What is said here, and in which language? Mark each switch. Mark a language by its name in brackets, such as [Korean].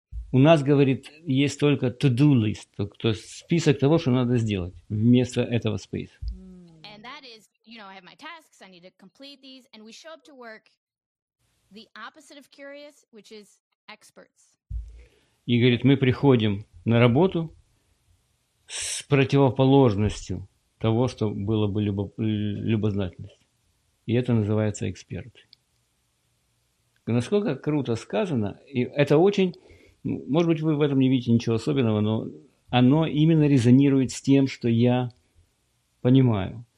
[Russian] У нас, говорит, есть только to-do list, то есть список того, что надо сделать вместо этого space. [English] And that is, you know, I have my tasks, I need to complete these, and we show up to work the opposite of curious, which is experts. [Russian] И говорит, мы приходим на работу с противоположностью того, что было бы любознательность. И это называется эксперт. Насколько круто сказано, и это очень, может быть, вы в этом не видите ничего особенного, но оно именно резонирует с тем, что я понимаю.